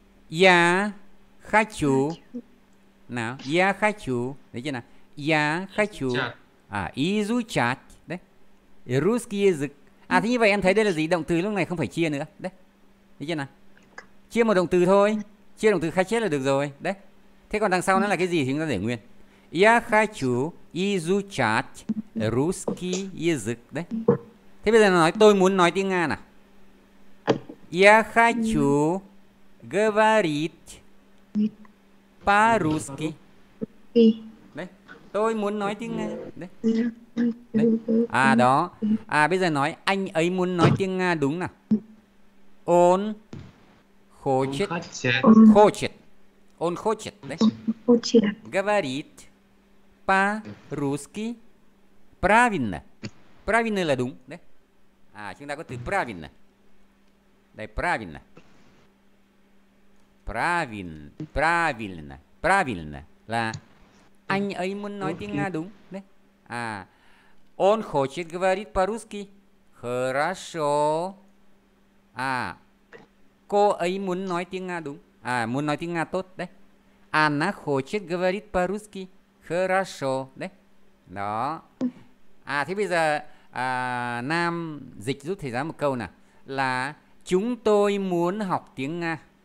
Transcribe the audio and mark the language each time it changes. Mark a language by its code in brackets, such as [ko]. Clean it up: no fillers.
[ru] Я хочу. [vi] Nào, [ru] я хочу. [vi] Đấy chưa nào? [ru] Я хочу. À, изучать. Đấy. Русский язык. [vi] À thế như vậy em thấy đây là gì? Động từ lúc này không phải chia nữa. Đấy. Đấy chưa nào? Chia một động từ thôi. Chia động từ khai chết là được rồi. Đấy. Thế còn đằng sau nó là cái gì thì chúng ta để nguyên. [ru] Я хочу изучать русский язык. [vi] Đấy. Thế bây giờ nó nói tôi muốn nói tiếng Nga nào. [ru] Я хочу говорить по-русски. [vi] Đấy. Tôi muốn nói tiếng Nga. Đấy. Đấy. À đó. À bây giờ nói anh ấy muốn nói tiếng Nga đúng nào. [ru] Он хочет. Хочет. Он хочет. Đấy. Говорить по-русски. Правильно. [vi] Правильно là đúng. Đấy. À chúng ta có từ правильно. Đây правильно. [ru] Правильно. Правильно. [vi] Правильно là anh ấy muốn nói tiếng Nga đúng. Đấy. À. [ru] Он хочет говорить по-русски. Хорошо. À. [vi] Cô ấy muốn nói tiếng Nga đúng. À muốn nói tiếng Nga tốt đấy. [ru] Она хочет говорить по-русски. Хорошо. Đấy. Đó. [vi] À thế bây giờ Nam dịch giúp thầy giáo một câu nào. Là chúng tôi muốn học tiếng Nga.